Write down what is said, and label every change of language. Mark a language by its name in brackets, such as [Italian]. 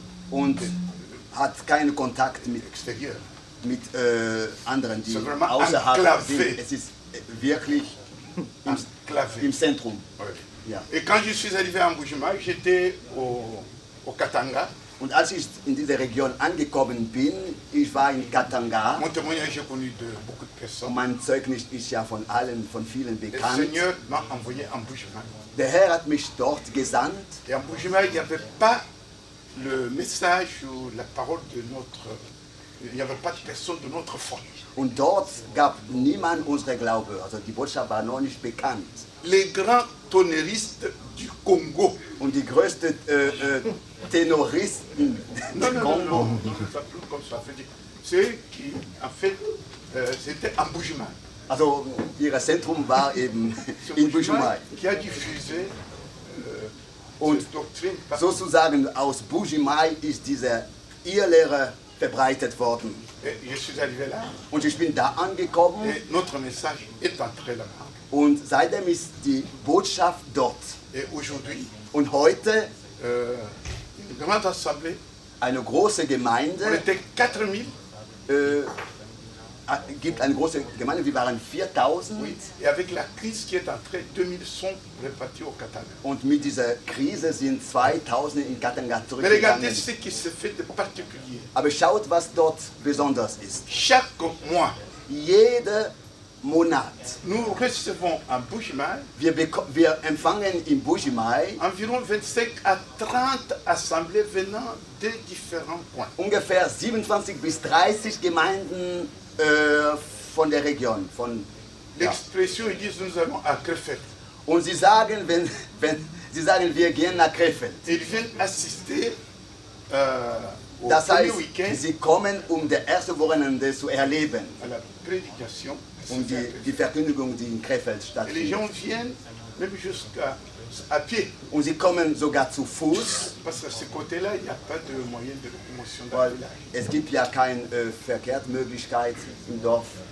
[German] Und hat keinen Kontakt mit anderen, die außerhalb sind. Es ist wirklich im Zentrum. [French] Et quand je suis arrivé à Mbujima, j'étais au Katanga. [German] Und als ich in diese Region angekommen bin, ich war in Katanga. [French] Mon témoignage est connu de beaucoup de personnes. [German] Mein Zeugnis ist ja von allen, von vielen bekannt. [French] Le Seigneur m'a envoyé à Mbujima. [German] Der Herr hat mich dort gesandt. [French] Et à Mbujima, il n'y avait pas le message ou la parole de notre... Il n'y avait pas de personne de notre foi. [German] Und dort gab niemand unsere Glaube. Also die Botschaft war noch nicht bekannt. [French] Les grands tonneristes du Congo. [German] Und die größten tenoristen [French] du Congo. Non, ça veut dire. C'est qui, en fait, c'était à Mbujima. [German] Also, ihr Zentrum war eben in Mbujima. [French] Qui a diffusé. [German] Und sozusagen aus Mbujima ist diese Irrlehre verbreitet worden. [French] Je suis arrivé là. [German] Und ich bin da angekommen. [French] Et notre message est entré là-bas. [German] Und seitdem ist die Botschaft dort. [French] Et aujourd'hui, [German] und heute, [French] une grande assemblée, [German] eine große Gemeinde, [French] on était 4000, [German] gibt eine große Gemeinde, wir waren 4000. [French] Oui, et avec la crise qui est entrée, 2000 sont repartis au Katanga. [German] Und mit dieser Krise sind 2000 in Katanga zurückgegangen. [French] Mais regardez ce qui se fait de particulier. [German] Aber schaut, was dort besonders ist. [French] Chaque mois, [German] jede Monat. [French] Nous recevons en Mbujima, [German] wir empfangen in Mbujima [French] environ 25 à 30 assemblées venant de différents points. [German] Ungefähr 27 bis 30 Gemeinden von der Region. Von, [French] l'expression, ils disent, nous allons à Krefeld. [German] Und sie sagen, wenn sie sagen, wir gehen nach Krefeld. [French] Ils viennent assister au [German] das [French] premier [German] heißt, [French] week-end. [German] Sie kommen, um der erste Wochenende zu erleben. [French] À la prédication. [German] Und die Verkündigung, die in Krefeld stattfindet. [French] Les gens viennent même jusqu'à pied. [German] Und sie kommen sogar zu Fuß. [French] Parce que ce côté-là, il n'y a pas de moyen de locomotion. [German] Es gibt ja keine Verkehrsmöglichkeit im Dorf.